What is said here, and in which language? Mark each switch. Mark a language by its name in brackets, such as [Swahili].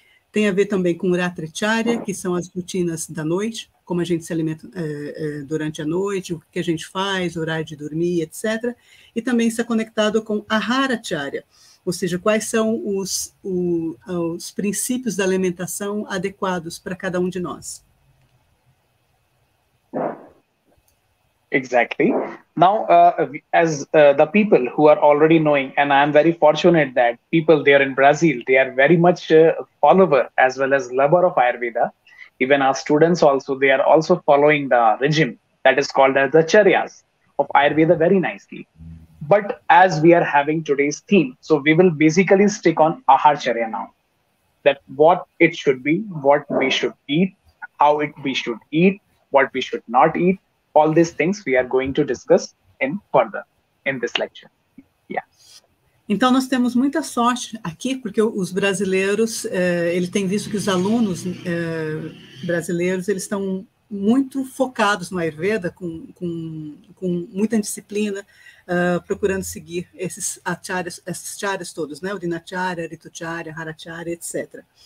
[Portuguese] Tem a ver também com o Ratricharya, que são as rotinas da noite, como a gente se alimenta durante a noite, o que a gente faz, horário de dormir, etc. E também está conectado com a Aharacharya, ou seja, quais são os princípios da alimentação adequados para cada um de nós. [English] Exactly. Now, as the people who are already knowing, and I am very fortunate that people there in Brazil, they are very much a follower as well as lover of Ayurveda. Even our students also, they are also following the regime that is called as the charyas of Ayurveda very nicely. But as we are having today's theme, so we will basically stick on Aharcharya now. That what it should be, what we should eat, how it we should eat, what we should not eat. All these things we are going to discuss in further in this lecture. Yeah. [Portuguese] Então nós temos muita sorte aqui porque os brasileiros, ele tem visto que os alunos brasileiros eles estão muito focados no Ayurveda com muita disciplina, procurando seguir esses acharyas, esses charyas todos, né? O Dinacharya, Ritucharya, Haracharya, etc.